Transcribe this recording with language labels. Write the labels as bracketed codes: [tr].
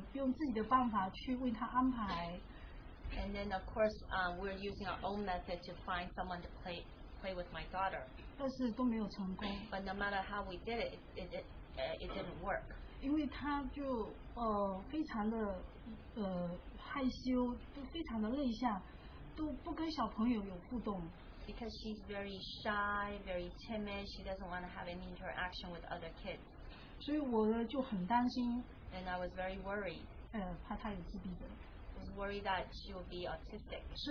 [zh] 然后呢，我们也自己想要，用自己的办法去为他安排。 [en] And then of course, we're using our own method to find someone to play with my daughter. [zh] 但是都没有成功。 [en] But no matter how we did it, it didn't work. [zh] 因为她就非常的害羞，都非常的内向，都不跟小朋友有互动。 [en] Because she's very shy, very timid, she doesn't want to have any interaction with other kids. [zh] 所以我就很担心, [en] and I was very worried. [zh] 怕她有自闭症。 [en] I was worried that she would be autistic.